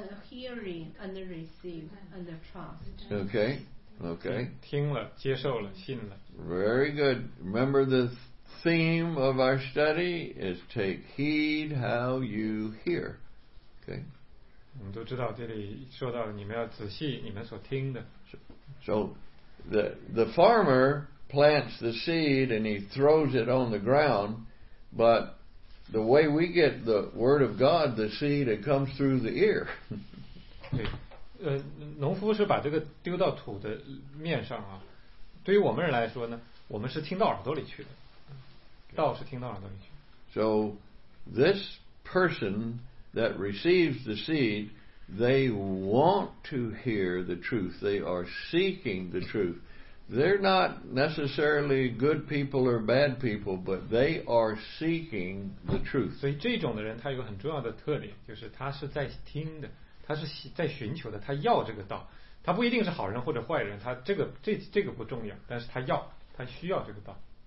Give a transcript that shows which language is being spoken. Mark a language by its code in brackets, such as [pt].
[en] Hearing and receive and trust. Okay, okay. [zh] 听了，接受了，信了。 [en] Very good. Remember the theme of our study is take heed how you hear. Okay. [zh] 我们都知道这里说到你们要仔细你们所听的。 [en] So, the farmer plants the seed and he throws it on the ground, but the way we get the word of God, the seed, it comes through the ear. [zh] 对，农夫是把这个丢到土的面上啊。对于我们人来说呢，我们是听到耳朵里去的，道是听到耳朵里去。 [en] So, this person that receives the seed, they want to hear the truth. They are seeking the truth. They're not necessarily good people or bad people, but they are seeking the truth. [zh] 所以这种的人他有很重要的特点，就是他是在听的，他是在寻求的，他要这个道。他不一定是好人或者坏人，他这个不重要，但是他要，他需要这个道。